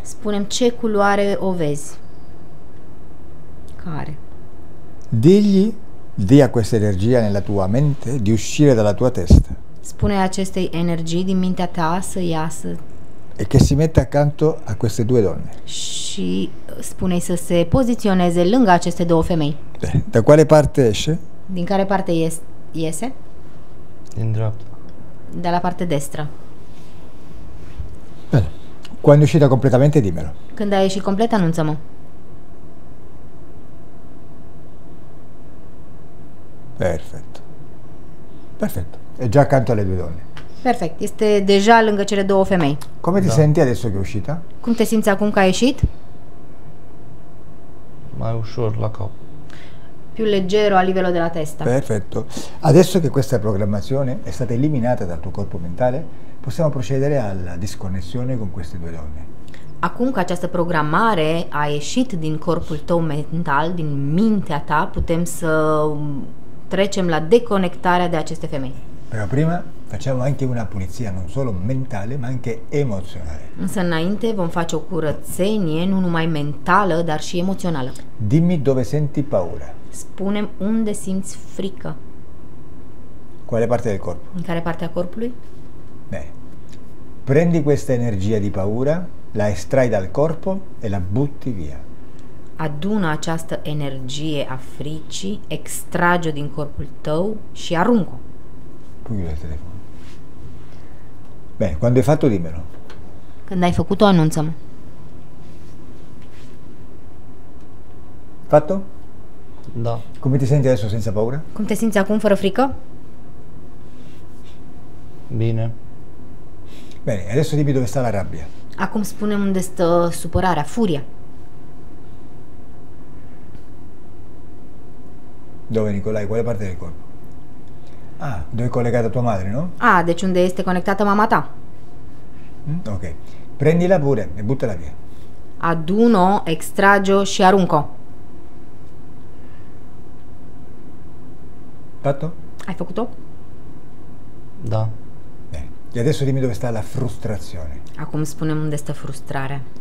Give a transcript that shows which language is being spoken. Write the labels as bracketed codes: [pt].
[ro] Spune-mi ce culoare o vezi. Care? [it] Digli, dia questa energia nella tua mente di uscire dalla tua testa. [ro] Spune acestei energii din mintea ta să iasă. [it] E che si metta accanto a queste due donne. [ro] Și spune-i să se poziționeze lângă aceste două femei. [it] Beh, da quale parte esce? [ro] Din care parte iese? Din dreapta. [it] De la parte destra. Bene. Quando è uscita completamente, dimmelo. [ro] Când a ieșit complet, anunță-mă. Perfect. Perfect. [it] E già accanto alle due donne. [ro] Perfect. Este deja lângă cele două femei. [it] Come ti senti adesso che è uscita? [ro] Cum te simți acum că ai ieșit? Mai ușor la cap. [it] Più leggero a livello della testa. Perfetto. Adesso che questa programmazione è stata eliminata dal tuo corpo mentale, possiamo procedere alla disconnessione con queste due donne. [ro] Acum că această programare a ieșit din corpul tău mental, din mintea ta, putem să trecem la deconectarea de aceste femei. [it] Però prima facciamo anche una pulizia non solo mentale, ma anche emozionale. [ro] Însă înainte vom face o curățenie nu numai mentală, dar și emoțională. [it] Dimmi dove senti paura. [ro] Spune-mi unde simți frică. [it] Quale parte del corpo? [ro] În care parte a corpului? [it] Bene. Prendi questa energia di paura, la estrai dal corpo e la butti via. [ro] Adună această energie a fricii, extrage-o din corpul tău și arunc-o. Pugli la telefono. [it] Bene, quando hai fatto dimmelo. [ro] Când ai făcut-o, anunță-mă. [it] Fatto? [ro] Da. [it] Come ti senti adesso senza paura? [ro] Cum te simți acum fără frică? Bine. [it] Bene, adesso dimmi dove sta la rabbia. [ro] Acum spune-mi unde stă supărarea, furia. [it] Dove, Nicolae? Quale parte del corpo? Ah, dove è collegata tua madre, no? [ro] Ah, deci unde este conectată mama ta. [it] Ok. Prendila pure e buttala via. [ro] Aduno, extragio și arunco. [it] Fatto? [ro] Hai făcut-o? Da. [it] Bene. E adesso dimmi dove sta la frustrazione. [ro] Acum spune unde stă frustrarea.